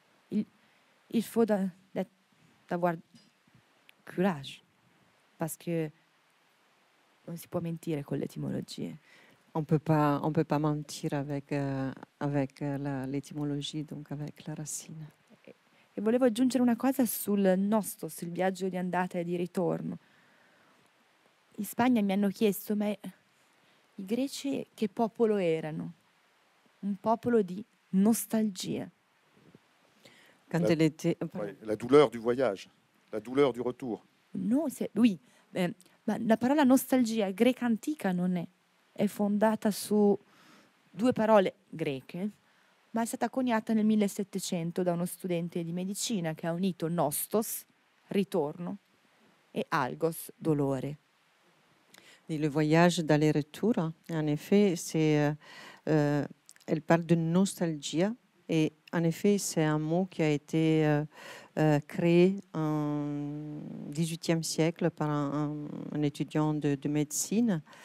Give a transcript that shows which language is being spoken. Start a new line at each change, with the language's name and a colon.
French: Il faut d'avoir courage, parce que on s'y peut mentir avec l'étymologie. On peut pas mentir avec l'étymologie, donc avec la racine.
Italian: E volevo aggiungere una cosa sul nostro, sul viaggio di andata e di ritorno. In Spagna mi hanno chiesto, ma i greci che popolo erano? Un popolo di nostalgia.
French: La douleur du voyage, la douleur du retour.
Italian: No, oui, ma la parola nostalgia greca antica non è. È fondata su due parole greche, ma è stata coniata nel 1700 da uno studente di medicina che ha unito nostos, ritorno, e algos, dolore.
French: Et le voyage d'aller-retour, en effet, c'est, elle parle de nostalgia, et en effet, c'est un mot qui a été créé en 18e siècle par un étudiant de médecine.